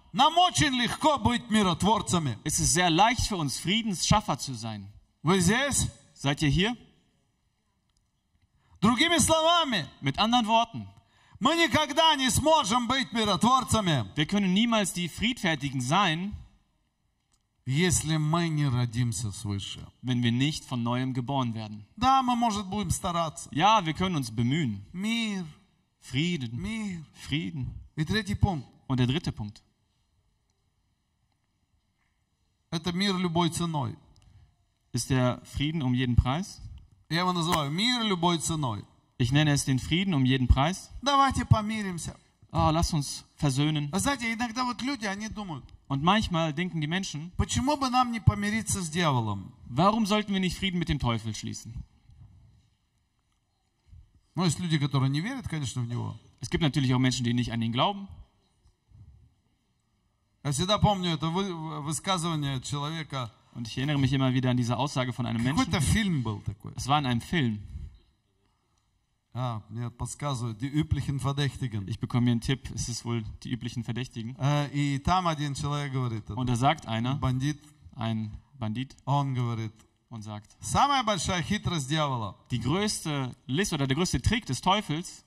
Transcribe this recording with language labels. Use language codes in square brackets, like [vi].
[ru] Нам очень легко быть миротворцами. [de] Es ist sehr leicht für uns, Friedensschaffer zu sein. [ru] Вы здесь? [de] Seid ihr hier? [ru] Другими словами, [de] mit anderen Worten, [ru] мы никогда не сможем быть миротворцами. [de] Wir können niemals die Friedfertigen sein, [ru] если мы не родимся свыше. [de] Wenn wir nicht von neuem geboren werden. [ru] Да, мы может будем стараться. [de] Ja, wir können uns bemühen. [ru] Мир. [de] Frieden. [ru] Мир. [de] Frieden. [ru] И третий пункт. [de] Und der dritte Punkt. [ru] Это мир любой ценой. [de] Ist der Frieden um jeden Preis? [ru] Я его называю мир любой ценой. [de] Ich nenne es den Frieden um jeden Preis. [ru] Давайте помиримся. [de] Oh, lass uns versöhnen. [ru] Знаете, иногда вот люди, они думают. [de] Und manchmal denken die Menschen. [ru] Почему бы нам не помириться с дьяволом? [de] Warum sollten wir nicht Frieden mit dem Teufel schließen? [ru] Ну, есть люди, которые не верят, конечно, в него. [de] Es gibt natürlich auch Menschen, die nicht an ihn glauben. [ru] Я всегда помню это высказывание человека. [de] Und ich erinnere mich immer wieder an diese Aussage von einem Menschen. [ru] Какой-то фильм был такой. [de] Es war in einem Film. [ru] А, мне подсказывают, die üblichen Verdächtigen. [de] Ich bekomme hier einen Tipp, es ist wohl die üblichen Verdächtigen. [ru] И там один человек говорит. [de] Und da sagt einer, [ru] Бандит. [de] Ein Bandit. [ru] Он говорит. [de] Und sagt. [ru] Самая большая хитрость дьявола. [de] Die größte List oder der größte Trick des Teufels.